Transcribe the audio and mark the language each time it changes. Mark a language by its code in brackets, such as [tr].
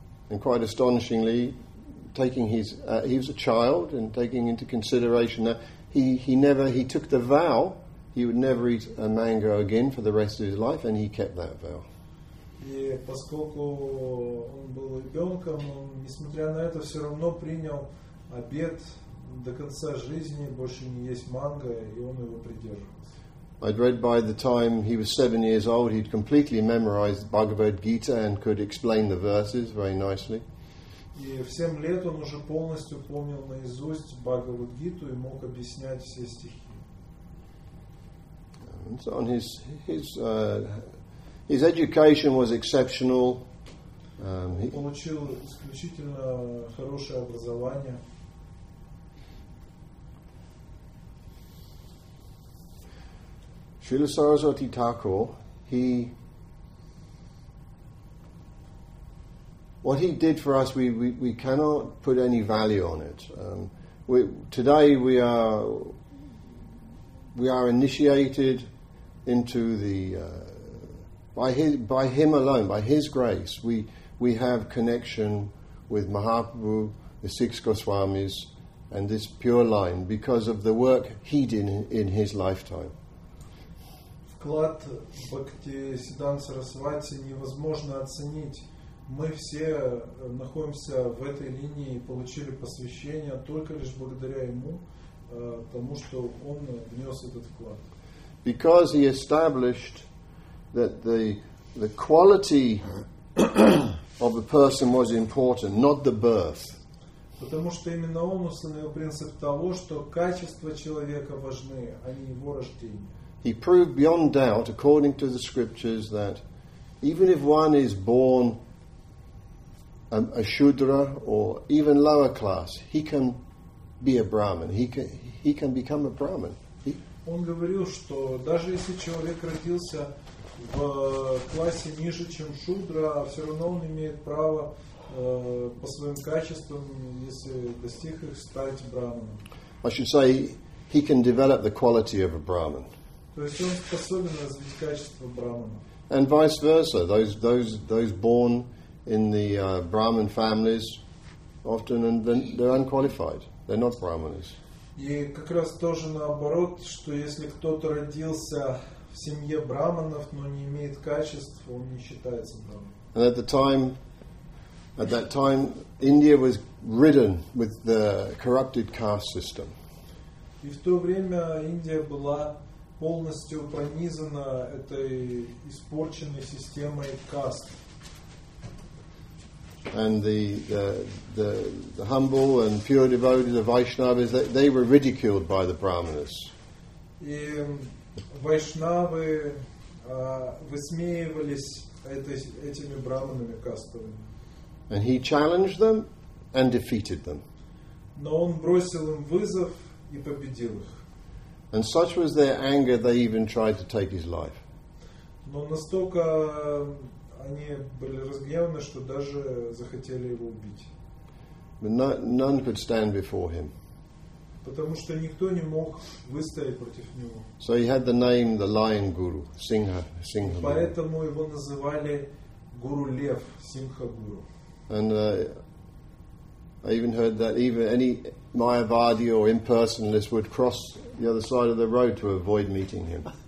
[en] And quite astonishingly, taking his he was a child, and taking into consideration that he took the vow he would never eat a mango again for the rest of his life, and he kept that vow. [ru] И поскольку он был ребенком, он, несмотря на это, все равно принял обет до конца жизни больше не есть манго, и он его придерживался. [en] I'd read by the time he was 7 years old, he'd completely memorized Bhagavad Gita and could explain the verses very nicely. [ru] И в 7 лет он уже полностью помнил наизусть Бхагавад Гиту и мог объяснять все стихи. [en] And so on his education was exceptional. [ru] Он получил исключительно хорошее образование. [en] Srila Saraswati Thakur, what he did for us, we cannot put any value on it. Today we are initiated into the by him alone, by his grace, we have connection with Mahaprabhu, the six Goswamis, and this pure line because of the work he did in his lifetime. [ru] Вклад Бхакти Сиддханты Сарасвати невозможно оценить. Мы все находимся в этой линии и получили посвящение только лишь благодаря ему, тому, что он внес этот вклад. [en] because he established that the quality of a person was important, not the birth. [ru] Потому что именно он установил принцип того, что качества человека важны, а не его рождение. [en] He proved beyond doubt, according to the scriptures, that even if one is born a shudra or even lower class, he can be a brahman. He can become a brahman. [ru] Он говорил, что даже если человек родился в классе ниже, чем шудра, все равно он имеет право по своим качествам, если достиг их, стать брахманом. [en] I should say he can develop the quality of a brahman. [ru] То есть он способен развить качество брахмана. [en] And vice versa, those born in the brahman families often and they're unqualified. They're not brahmanas. [ru] И как раз тоже наоборот, что если кто-то родился в семье брахманов, но не имеет качеств, он не считается брахманом. [en] And at that time, India was ridden with the corrupted caste system. [ru] И в то время Индия была полностью пронизана этой испорченной системой каст. [en] And the humble and pure devotees, the Vaishnavas, they were ridiculed by the Brahmanas. [ru] И Вайшнавы высмеивались этими брахманами кастовыми. [en] And he challenged them and defeated them. [ru] Но он бросил им вызов и победил их. [en] And such was their anger, they even tried to take his life. [ru] Но настолько они были разгневаны, что даже захотели его убить. [en] But none could stand before him. [ru] Потому что никто не мог выстоять против него. [en] So he had the name the Lion Guru, Singha. [ru] Поэтому его называли Гуру Лев, Симха Гуру. [en] And I even heard that even any Mayavadi or impersonalist would cross the other side of the road to avoid meeting him.